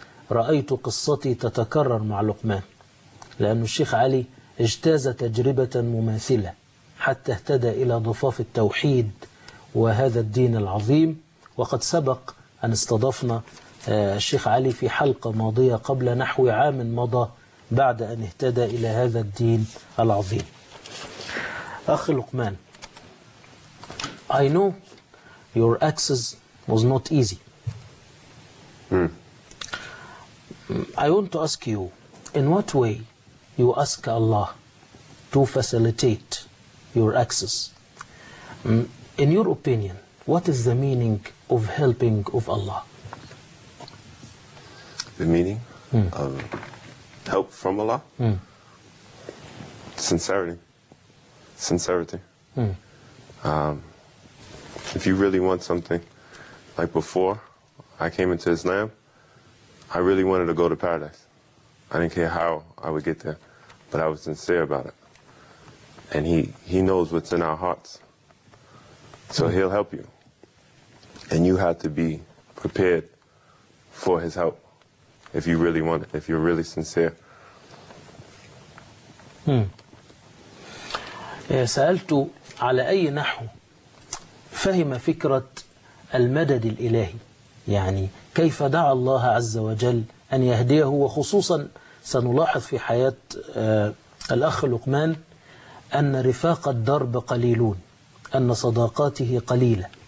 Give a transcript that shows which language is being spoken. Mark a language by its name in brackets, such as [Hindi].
[Arabic] رأيت قصتي تتكرر مع لقمان، لأن الشيخ علي اجتاز تجربة مماثلة حتى اهتدى إلى ضفاف التوحيد وهذا الدين العظيم. وقد سبق أن استضفنا الشيخ علي في حلقة ماضية قبل نحو عام مضى بعد أن اهتدى إلى هذا الدين العظيم. [English] أخ لقمان، I know your access was not easy. I want to ask you, in what way you ask Allah to facilitate your access? In your opinion, what is the meaning of helping of Allah? The meaning of help from Allah? Sincerity. Sincerity. If you really want something, like before I came into Islam, I really wanted to go to paradise. I didn't care how I would get there, but I was sincere about it. And he knows what's in our hearts. So he'll help you. And you have to be prepared for his help if you really want it, if you're really sincere. [Arabic] سألت على أي نحو فهم فكرة المدد الإلهي، يعني كيف دعا الله عز وجل أن يهديه، وخصوصا سنلاحظ في حياة الأخ لقمان أن رفاق الدرب قليلون، أن صداقاته قليلة.